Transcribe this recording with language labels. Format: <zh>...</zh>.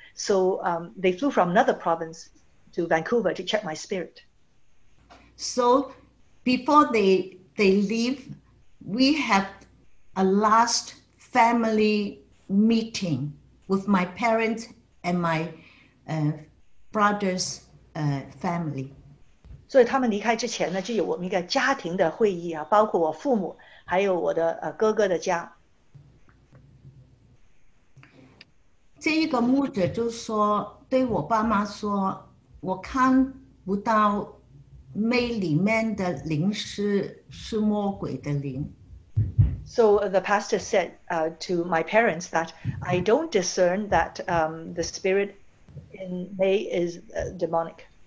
<en>So they flew from another province to Vancouver to check my spirit. So before they leave, we have a last family meeting with my parents and my brother's family.</en> <zh>所以他们离开之前呢，就有我们一个家庭的会议啊，包括我父母。还有我的哥哥的家。这一个牧者就说，对我爸妈说，我看不到魅里面的灵是魔鬼的灵。</zh> <en>So the pastor said to my parents that I don't discern that the spirit in May is demonic.</en>